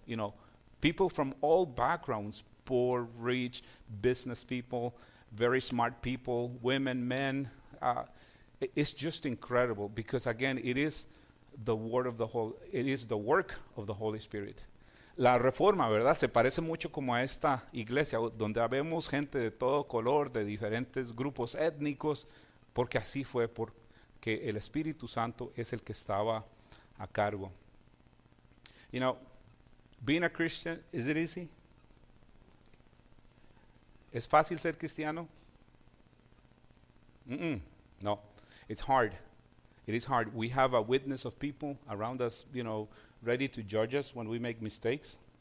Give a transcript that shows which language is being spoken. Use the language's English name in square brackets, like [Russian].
[English] You know, people from all backgrounds, poor, rich, business people, very smart people, women, men. It's just incredible because, again, it is the word of the whole. It is the work of the Holy Spirit. [Spanish] La Reforma, ¿verdad? Se parece mucho como a esta iglesia donde vemos gente de todo color, de diferentes grupos étnicos, porque así fue, porque el Espíritu Santo es el que estaba a cargo. [English] You know, being a Christian, is it easy? [Spanish] ¿Es fácil ser cristiano? [English] No, it's hard. It is hard. We have a witness of people around us, you know, ready to judge us when we make mistakes.